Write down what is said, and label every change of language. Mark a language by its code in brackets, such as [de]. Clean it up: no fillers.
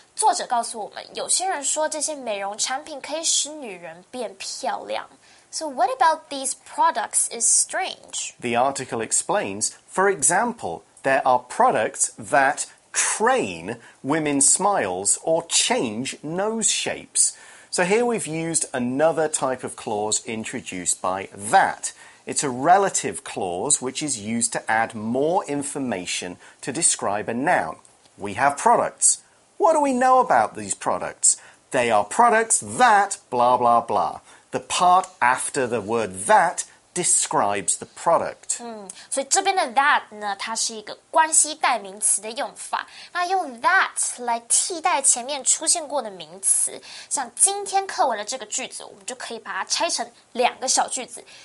[zh] 作者告诉我们，有些人说这些美容产品可以使女人变漂亮。 [en] So what about these products is strange? The article explains, for example, there are products that train women's smiles or change nose shapes. So here we've used another type of clause introduced by that. It's a relative clause which is used to add more information to describe a noun. We have products. What do we know about these products? They are products that blah blah blah. The part after the word that describes the product. [zh] 所以这边的 that 呢，它是一个关系代名词的用法。那用 that 来替代前面出现过的名词，像今天课文的这个句子，我们就可以把它拆成两个小句子。